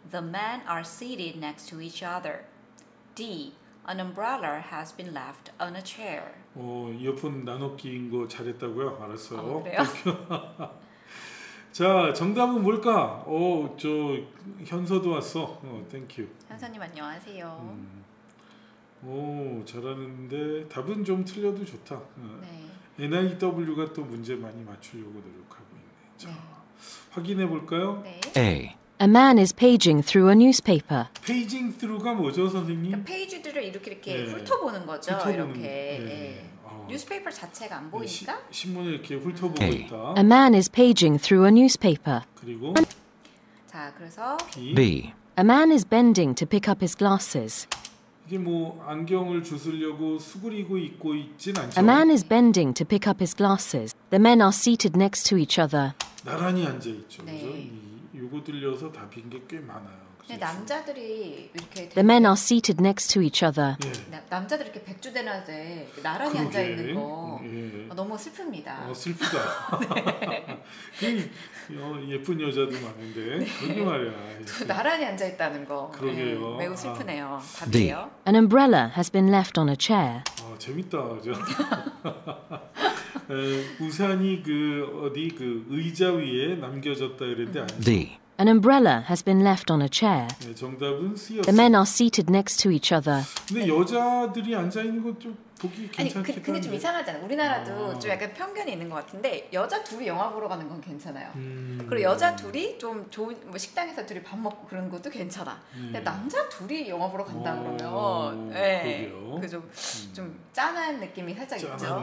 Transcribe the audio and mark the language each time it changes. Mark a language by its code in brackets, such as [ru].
[en] The men are seated next to each other. D. An umbrella has been left on a chair. [ko] 이어폰 나눠끼인 거 잘했다고요? 알았어요. 그래요? 자, 정답은 뭘까? 저 현서도 왔어. 땡큐. 현서님 안녕하세요. 잘하는데 답은 좀 틀려도 좋다. 네. NIW가 또 문제 많이 맞추려고 노력하고 있네. 자, 네. 확인해 볼까요? 네. [en] A man is paging through a newspaper. [ko] Paging through가 뭐죠, 선생님? 그러니까 페이지들을 이렇게 훑어보는 거죠. 훑어보는, 이렇게. 뉴스페이퍼 자체가 안 보이니까. 신문을 이렇게 훑어보고 있다. [en] A man is paging through a newspaper. [ko] 그리고 자, 그래서 [en] B. A man is bending to pick up his glasses. [ko] 이게 뭐 안경을 주스려고 수그리고 있고 있진 않죠. [en] A man is bending to pick up his glasses. The men are seated next to each other. [ko] 나란히 앉아 있죠. 네. 그렇죠? 요거 들려서 답인 게 꽤 많아요. 근데 남자들이 이렇게 [en] The men are seated next to each other. [ko] 예. 남자들 이렇게 백주대낮에 나란히 앉아 있는 거 너무 슬픕니다. 슬프다. 네. 예쁜 여자도 많은데 그런 말이야. 나란히 앉아 있다는 거. 그러게요. 네. 매우 슬프네요. 답이에요. [en] An umbrella has been left on a chair. [ko] 재밌다. 그죠? 우산이 그 어디 그 의자 위에 남겨졌다 이랬는데 아니죠. [en] D. An umbrella has been left on a chair. [ko] 네, 정답은 C였어요. [en] The men are seated next to each other. [ko] 근데 여자들이 앉아 있는 것 좀 보기 괜찮긴 한데. 근데 좀 이상하잖아요. 우리나라도 좀 약간 편견이 있는 것 같은데 여자 둘이 영화 보러 가는 건 괜찮아요. 그리고 여자 둘이 좀 좋은 뭐 식당에서 둘이 밥 먹고 그런 것도 괜찮아. 근데 남자 둘이 영화 보러 간다 그러면 그 좀 짠한 느낌이 살짝 있죠.